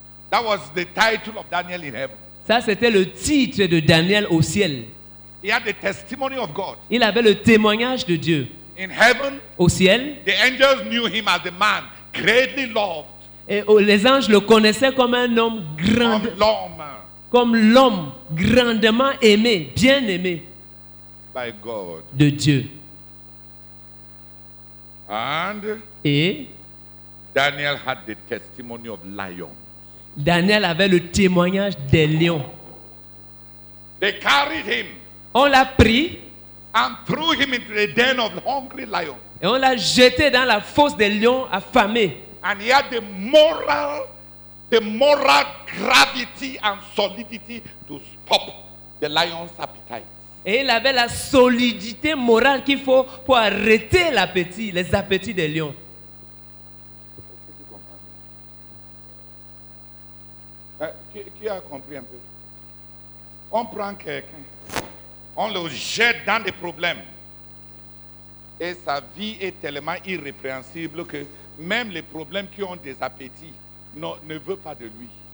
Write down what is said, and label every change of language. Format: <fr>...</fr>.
<en>That was the title of Daniel in heaven.</en> <fr>Ça c'était le titre de Daniel au ciel.</fr> <en>He had the testimony of God.</en> <fr>Il avait le témoignage de Dieu.</fr> <en>In heaven,</en> <fr>au ciel,</fr> <en>the angels knew him as the man greatly loved.</en> <fr>Et les anges le connaissaient comme un homme grand, comme l'homme grandement aimé, bien aimé</fr> <en>by God.</en> <fr>De Dieu.</fr> <en>And</en> <fr>et</fr> <en>Daniel had the testimony of lions.</en> <fr>Daniel avait le témoignage des lions.</fr> <en>They carried him.</en> <fr>On l'a pris</fr> <en>and threw him into the den of hungry lions.</en> <fr>Et on l'a jeté dans la fosse des lions affamés.</fr> <en>And he had the moral gravity and solidity to stop the lion's appetite.</en> <fr>Et il avait la solidité morale qu'il faut pour arrêter l'appétit, les appétits des lions. Qui a compris un peu? On prend quelqu'un, on le jette dans des problèmes, et sa vie est tellement irrépréhensible que même les problèmes qui ont des appétits ne veulent pas de lui.</fr>